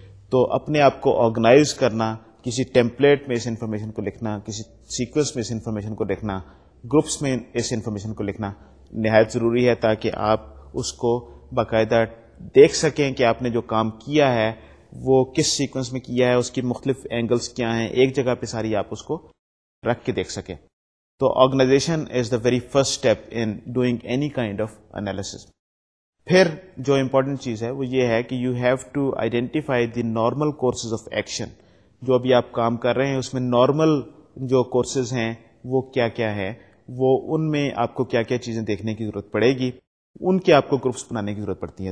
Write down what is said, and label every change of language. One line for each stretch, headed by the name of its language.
Urdu: تو اپنے آپ کو آرگنائز کرنا, کسی ٹیمپلیٹ میں اس انفارمیشن کو لکھنا, کسی سیکوینس میں اس انفارمیشن کو لکھنا, گروپس میں اس انفارمیشن کو لکھنا نہایت ضروری ہے تاکہ آپ اس کو باقاعدہ دیکھ سکیں کہ آپ نے جو کام کیا ہے وہ کس سیکوینس میں کیا ہے, اس کی مختلف اینگلز کیا ہیں, ایک جگہ پہ ساری آپ اس کو رکھ کے دیکھ سکیں. تو
English: Organisation is the very first step in doing any kind of analysis.
Urdu: پھر جو امپورٹنٹ چیز ہے وہ یہ ہے کہ
English: You have to identify the normal courses of action.
Urdu: جو ابھی آپ کام کر رہے ہیں اس میں نارمل جو کورسز ہیں وہ کیا کیا ہے, وہ ان میں آپ کو کیا کیا چیزیں دیکھنے کی ضرورت پڑے گی, ان کے آپ کو گروپس بنانے کی ضرورت پڑتی ہے.